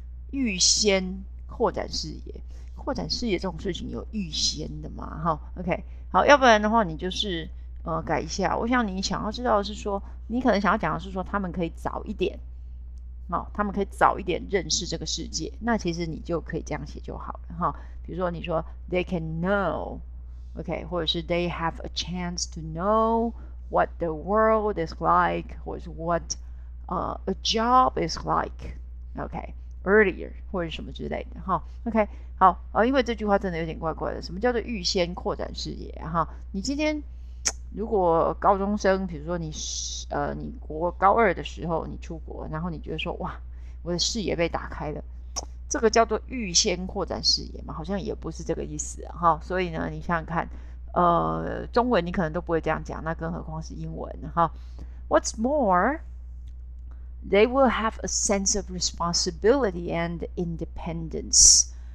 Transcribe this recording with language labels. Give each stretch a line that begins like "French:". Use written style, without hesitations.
Chinese: 预先扩展视野，扩展视野这种事情有预先的嘛？哈，OK，好，要不然的话你就是改一下。我想你想要知道的是说，你可能想要讲的是说，他们可以早一点，好，他们可以早一点认识这个世界。那其实你就可以这样写就好了哈。比如说你说
English: they can know，OK，
Chinese: 或者是
English: they have a chance to know。 What the world is like，
Chinese: 或者是
English: what，a job is like，OK，earlier，、okay,
Chinese: 或者什么之类的哈，
English: OK，
Chinese: 好啊，因为这句话真的有点怪怪的。什么叫做预先扩展视野哈？你今天如果高中生，比如说你国高二的时候你出国，然后你觉得说哇，我的视野被打开了，这个叫做预先扩展视野吗？好像也不是这个意思哈。所以呢，你想想看。中文你可能都不会这样讲，那更何况是英文哈。
English: What's more, they will have a sense of responsibility and independence.